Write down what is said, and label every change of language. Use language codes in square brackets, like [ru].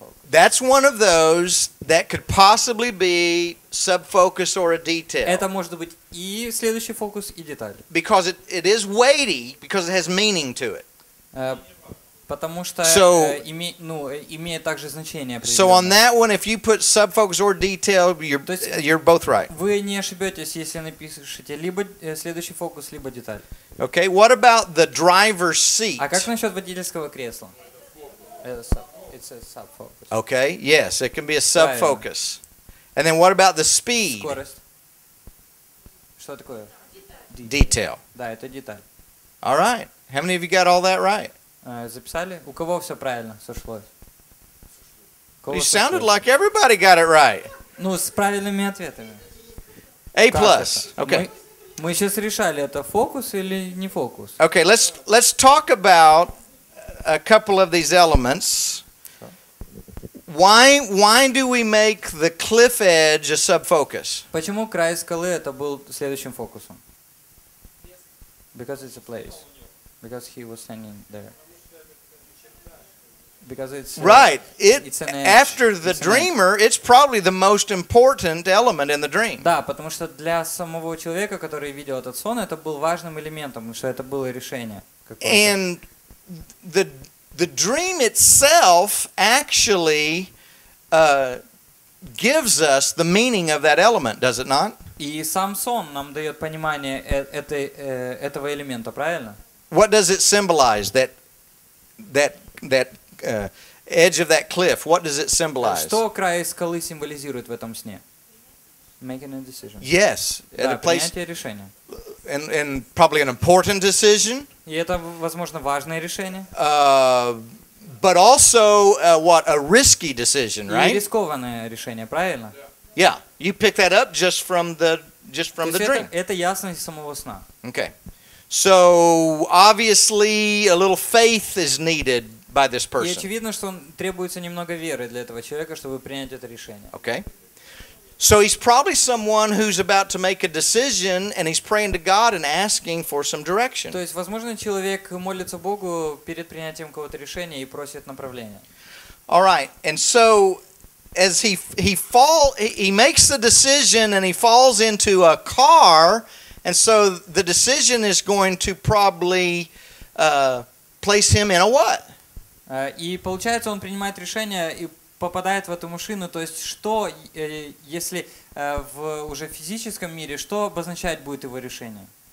[en] That's one of those that could possibly be subfocus or a detail. [ru] Это может быть и следующий фокус, и деталь. [en] Because it is weighty, because it has meaning to it. [ru] Потому что имеет также значение. [en] So on that one, if you put subfocus or detail, you're both right. [ru] Вы не ошибетесь, если напишете либо следующий фокус, либо деталь. [en] Okay, what about the driver's seat? [ru] А как насчет водительского кресла? [en] It's a subfocus. Okay, yes, it can be a subfocus. And then what about the speed? [ru] Скорость. Что такое? [en] Detail. [ru] Да, это деталь. [en] All right. How many of you got all that right? [ru] Записали? У кого все правильно сошлось? [en] You sounded like everybody got it right. [ru] Ну, с правильными ответами. [en] A plus. Okay. [ru] Мы сейчас решали, это фокус или не фокус. [en] Okay, let's talk about a couple of these elements. Why do we make the cliff edge a subfocus? [ru] Почему край скалы это был следующим фокусом? [en] Because it's a place. Because he was standing there. Because it's right. It's an edge. After the dreamer, it's probably the most important element in the dream. [ru] Да, потому что для самого человека, который видел этот сон, это был важным элементом, что это было решение. [en] And the dream itself actually gives us the meaning of that element, does it not? [ru] И сам сон нам дает понимание этого элемента, правильно? [en] What does it symbolize? That edge of that cliff. What does it symbolize? [ru] Что край скалы символизирует в этом сне? [en] Making a decision. Yes, at a place. [ru] Принятие решения. [en] And probably an important decision. [ru] И это, возможно, важное решение. [en] But also what a risky decision, right? [ru] И рискованное решение, правильно? [en] Yeah, you pick that up just from the dream. [ru] Это ясность самого сна. [en] Okay. So obviously a little faith is needed by this person. [ru] И очевидно, что требуется немного веры для этого человека, чтобы принять это решение. [en] Okay. So he's probably someone who's about to make a decision and he's praying to God and asking for some direction. [ru] То есть, возможно, человек молится Богу перед принятием какого-то решения и просит направления. [en] All right. And so as he makes the decision and he falls into a car. And so the decision is going to probably place him in a what? [ru] И получается, он принимает решение и попадает в эту машину. То есть что, если в уже физическом мире, что обозначать будет его решение?